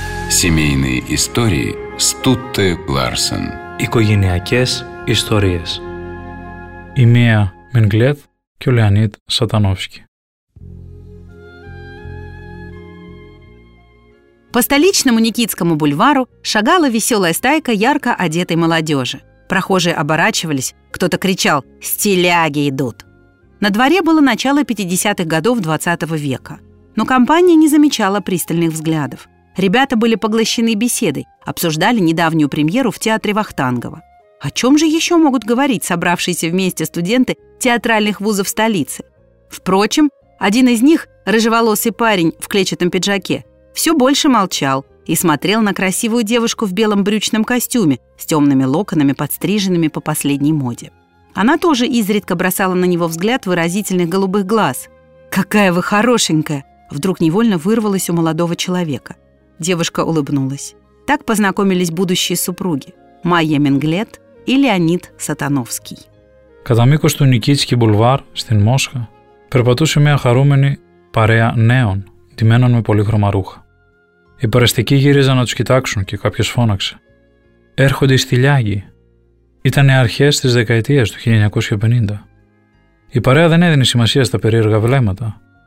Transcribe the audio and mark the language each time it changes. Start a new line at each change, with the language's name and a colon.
Russian: Семейные истории Стутте Ларсен.
Greek: Οικογενειακές ιστορίες. Η μία Μενγκλέθ και ο Λεωνίδ Σατανόφσκι.
Russian: По столичному Никитскому бульвару шагала веселая стайка ярко одетой молодежи. Прохожие оборачивались, кто-то кричал: «Стиляги идут!». На дворе было начало 50-х годов 20 века, но компания не замечала пристальных взглядов. Ребята были поглощены беседой, обсуждали недавнюю премьеру в театре Вахтангова. О чем же еще могут говорить собравшиеся вместе студенты театральных вузов столицы? Впрочем, один из них, рыжеволосый парень в клетчатом пиджаке, все больше молчал и смотрел на красивую девушку в белом брючном костюме с темными локонами, подстриженными по последней моде. Она тоже изредка бросала на него взгляд выразительных голубых глаз. «Какая вы хорошенькая!» — вдруг невольно вырвалась у молодого человека. Девушка улыбнулась. Так познакомились будущие супруги Майя Менглет и Леонид Сатановский.
Greek: Κατά μήκος του Νικίτσκι Μπουλβάρ στην Μόσχα περπατούσε μια χαρούμενη παρέα νέων, ντυμένων με πολύχρωμα ρούχα. Οι περαστικοί γύριζαν να τους κοιτάξουν και κάποιος φώναξε. «Έρχονται οι Στυλιάγοι». Ήταν οι αρχές της δεκαετίας του 1950. Η παρέα δεν έδινε σημασία στα περίεργα βλέμματα.